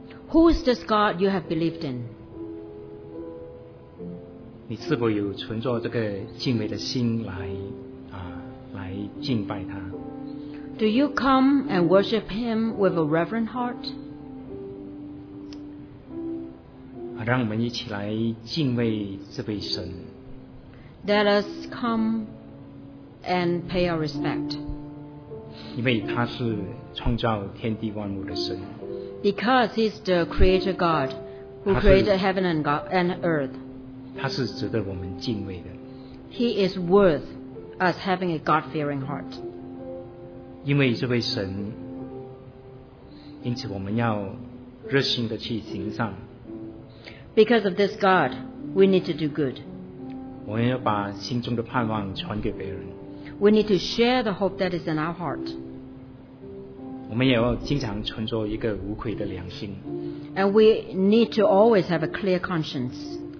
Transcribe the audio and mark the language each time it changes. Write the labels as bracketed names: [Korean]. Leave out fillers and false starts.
[English] Who is this God you have believed in? [Chinese] 你是否有存着这个敬畏的心来啊，来敬拜他？ [English] Do you come and worship him with a reverent heart? [Chinese] 啊，让我们一起来敬畏这位神。 [English] Let us come and pay our respect. [Chinese] 因为他是创造天地万物的神。 [English] Because he's the creator God who created heaven and God and earth. [Chinese] 他是值得我们敬畏的。 [English] He is worth us having a God-fearing heart. [Chinese] 因为这位神，因此我们要热心的去行善。 [English] Because of this God, we need to do good. [Chinese] 我们要把心中的盼望传给别人。 [English] We need to share the hope that is in our heart. [Chinese] 我们也要经常存着一个无愧的良心。 [English] And we need to always have a clear conscience.